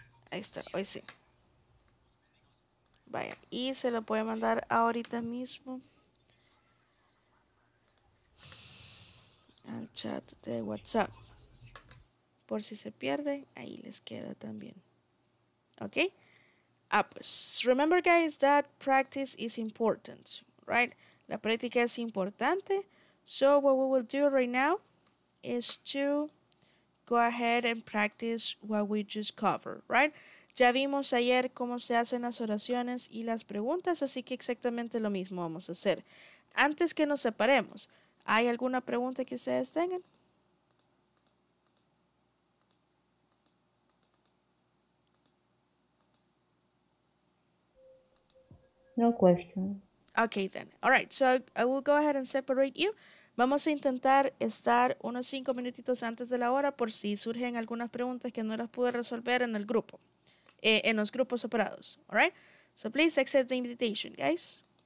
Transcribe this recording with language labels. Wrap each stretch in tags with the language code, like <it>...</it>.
<es>Ahí está, hoy sí. Vaya, y se lo voy a mandar ahorita mismo al chat de WhatsApp. Por si se pierde, ahí les queda también. ¿Ok?</es> <en>Ah, pues, remember guys that practice is important, right?</en> <es>La práctica es importante.</es> <en>So, what we will do right now is to go ahead and practice what we just covered, right?</en> <es>Ya vimos ayer cómo se hacen las oraciones y las preguntas, así que exactamente lo mismo vamos a hacer. Antes que nos separemos, ¿hay alguna pregunta que ustedes tengan?</es> <en>No question. Okay, then. All right, so I will go ahead and separate you.</en> <es>Vamos a intentar estar unos 5 minutitos antes de la hora por si surgen algunas preguntas que no las pude resolver en el grupo, en los grupos separados.</es> <en>All right? So please accept the invitation, guys.</en>